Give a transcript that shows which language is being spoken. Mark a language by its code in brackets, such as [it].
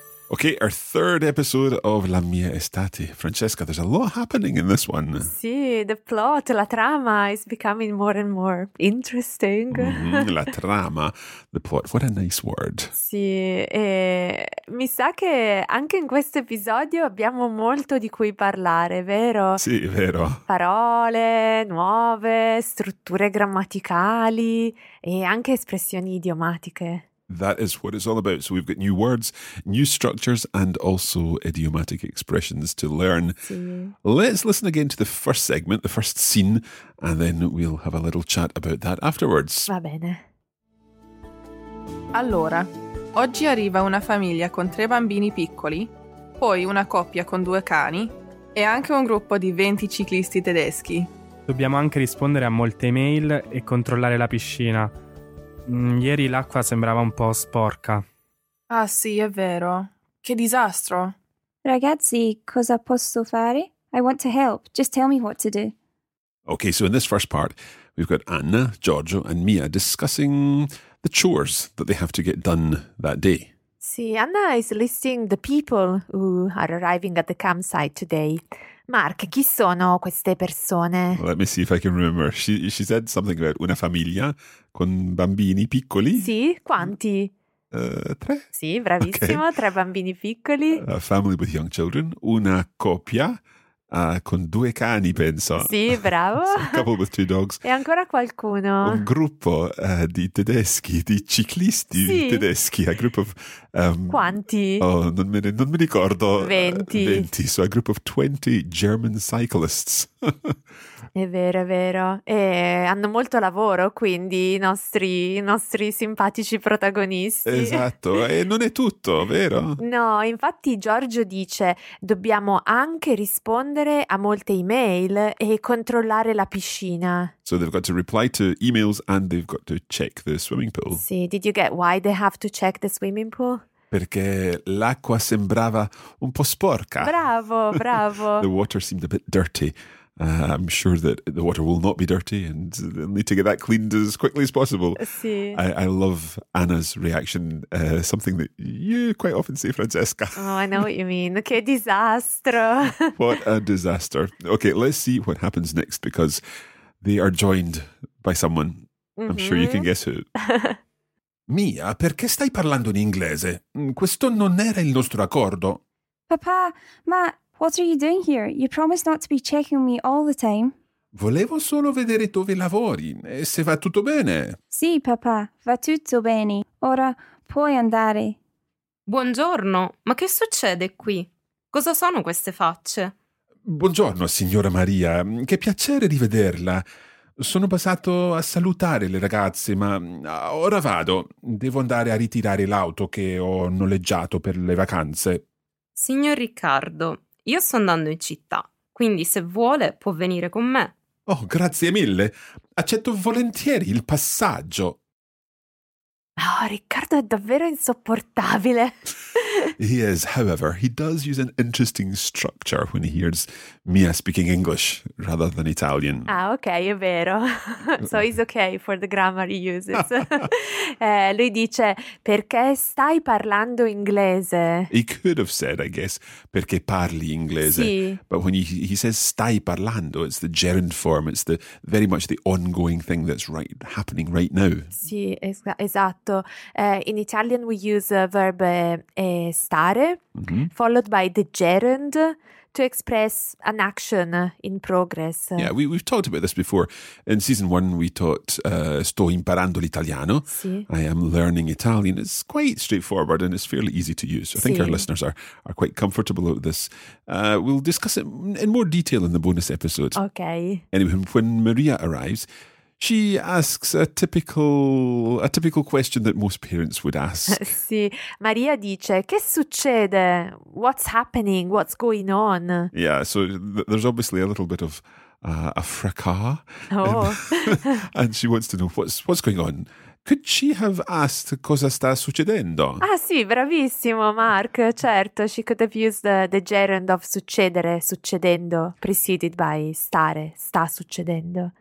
[en] Okay, our third episode of La Mia Estate. Francesca, there's a lot happening in this one. Sì, the plot, la trama is becoming more and more interesting. Mm-hmm, la trama, the plot, what a nice word. [it] Sì, e mi sa che anche in questo episodio abbiamo molto di cui parlare, vero? Sì, vero. Parole nuove, strutture grammaticali e anche espressioni idiomatiche. [en] That is what it's all about. So we've got new words, new structures, and also idiomatic expressions to learn. [it] Sì. [en] Let's listen again to the first segment, the first scene, and then we'll have a little chat about that afterwards. [it] Va bene. Allora, oggi arriva una famiglia con tre bambini piccoli, poi una coppia con due cani e anche un gruppo di 20 ciclisti tedeschi. Dobbiamo anche rispondere a molte email e controllare la piscina. Ieri l'acqua sembrava un po' sporca. Ah sì, è vero. Che disastro. Ragazzi, cosa posso fare? [en] I want to help. Just tell me what to do. Okay, so in this first part, we've got Anna, Giorgio and Mia discussing the chores that they have to get done that day. Sì, Anna is listing the people who are arriving at the campsite today. [it] Mark, chi sono queste persone? [en] Let me see if I can remember. She said something about [it] una famiglia con bambini piccoli. Sì, quanti? Tre. Sì, bravissimo, okay. Tre bambini piccoli. [en] A family with young children. [it] Una coppia con due cani, penso. Sì, bravo. [en] A couple with two dogs. [it] E ancora qualcuno. Un gruppo di tedeschi, di ciclisti, sì, [en] tedeschi. A group of... [it] quanti? Oh, non mi ricordo. 20. 20. [en] So a group of 20 German cyclists. [it] È vero, è vero. E hanno molto lavoro, quindi i nostri simpatici protagonisti. Esatto, e non è tutto, vero? No, infatti Giorgio dice, dobbiamo anche rispondere a molte email e controllare la piscina. [en] So they've got to reply to emails and they've got to check the swimming pool. Sì, did you get why they have to check the swimming pool? [it] Perché l'acqua sembrava un po' sporca. Bravo, bravo. [en] The water seemed a bit dirty. I'm sure that the water will not be dirty and they'll need to get that cleaned as quickly as possible. [it] Sì. [en] I love Anna's reaction, something that you quite often say, Francesca. Oh, I know what you mean. [it] Che disastro. [en] What a disaster. Okay, let's see what happens next because they are joined by someone. Mm-hmm. I'm sure you can guess who. [it] Mia, perché stai parlando in inglese? Questo non era il nostro accordo. Papà, ma what are you doing here? You promised not to be checking me all the time. Volevo solo vedere dove lavori e se va tutto bene. Sì, papà, va tutto bene. Ora puoi andare. Buongiorno, ma che succede qui? Cosa sono queste facce? Buongiorno, signora Maria. Che piacere rivederla. Sono passato a salutare le ragazze, ma ora vado. Devo andare a ritirare l'auto che ho noleggiato per le vacanze. Signor Riccardo, io sto andando in città, quindi se vuole può venire con me. Oh, grazie mille. Accetto volentieri il passaggio. Oh, Riccardo è davvero insopportabile. [en] He is, however, he does use an interesting structure when he hears Mia speaking English rather than Italian. [it] Ah, ok, è vero. [en] So he's okay for the grammar he uses. [it] lui dice, perché stai parlando inglese? [en] He could have said, I guess, [it] perché parli inglese. Sì. [en] But when he says stai parlando, it's the gerund form. It's the very much the ongoing thing that's right happening right now. [it] Sì, esatto. [en] In Italian we use a verb stare, mm-hmm. followed by the gerund, to express an action in progress. Yeah, we've talked about this before. In season one, we taught [it] Sto imparando l'italiano. Sì. [en] I am learning Italian. It's quite straightforward and it's fairly easy to use. I think sì. our listeners are quite comfortable with this. We'll discuss it in more detail in the bonus episode. Okay. Anyway, when Maria arrives, she asks a typical question that most parents would ask. [it] Sì, Maria dice, che succede? [en] What's happening? What's going on? Yeah, so there's obviously a little bit of a fracas. Oh. And she wants to know what's going on. Could she have asked [it] cosa sta succedendo? Ah sì, bravissimo, Mark. Certo, [en] she could have used the gerund of succedere, succedendo, preceded by stare, sta succedendo.